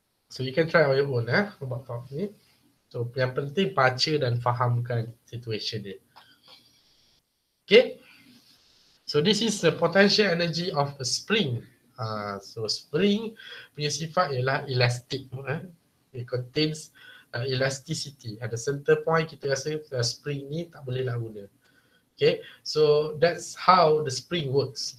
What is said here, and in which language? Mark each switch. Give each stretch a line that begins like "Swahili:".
English: So you can try on your own about top ni. So
Malay: yang penting baca dan fahamkan situation dia.
English: Okay. So this is the potential energy of a spring.
Malay: So spring punya sifat ialah elastic.
English: It contains elasticity. At the center point,
Malay: kita rasa spring ni tak boleh nak guna.
English: Okay, so that's how the spring works.